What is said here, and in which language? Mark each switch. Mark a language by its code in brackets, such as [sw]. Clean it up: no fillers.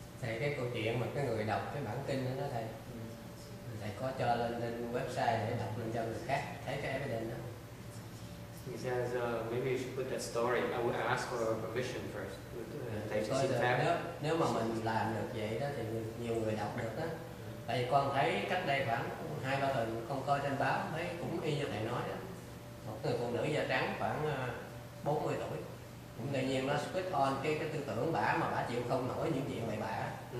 [vi] Thầy cái câu chuyện mà cái người đọc cái bản kinh đó đó thầy, thầy có cho lên website để đọc lên cho người khác thấy cái evidence đó. [en] He says maybe you should put that story. I will ask for our permission first. [vi] Nếu mà mình làm được vậy đó thì nhiều người đọc được đó. Tại vì con thấy cách đây khoảng 2-3 tuần con coi trên báo thấy cũng y như thầy nói đó. Một người phụ nữ da trắng khoảng 40 tuổi. Cũng tự nhiên nó switch on cái tư tưởng bả mà bả chịu không nổi những chuyện này bả.